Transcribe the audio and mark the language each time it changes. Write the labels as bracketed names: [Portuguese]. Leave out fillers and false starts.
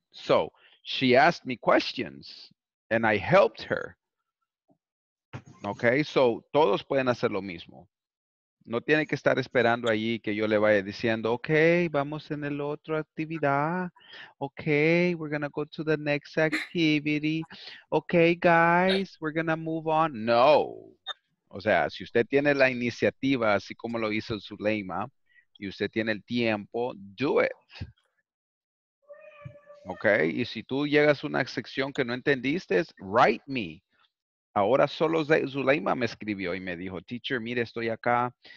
[English] So she asked me questions, and I helped her. Okay? So [Spanish] todos pueden hacer lo mismo. No tiene que estar esperando allí que yo le vaya diciendo, okay, vamos en el otro actividad. [English] Okay, we're going to go to the next activity. Okay, guys, we're going to move on. No. [Spanish] O sea, si usted tiene la iniciativa, así como lo hizo Suleyma, y usted tiene el tiempo, [English] do it. [Spanish] Okay, y si tú llegas a una sección que no entendiste, [English] write me. [Spanish] Ahora solo Zuleima me escribió y me dijo, teacher, mire, estoy acá.